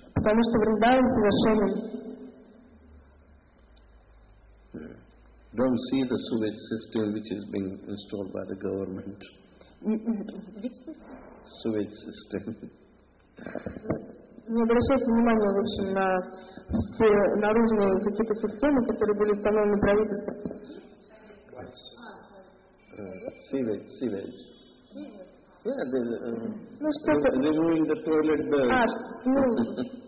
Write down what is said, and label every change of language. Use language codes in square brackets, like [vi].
[ru] Потому что Вриндаван совершенен. [en] Don't see the sewage system which is being installed by the government. Sewage system. [ru] Не обращайте внимания, в общем, на все наружные какие-то системы, которые были установлены правительством. [en] Sewage. Yeah, they're removing the toilet bowl.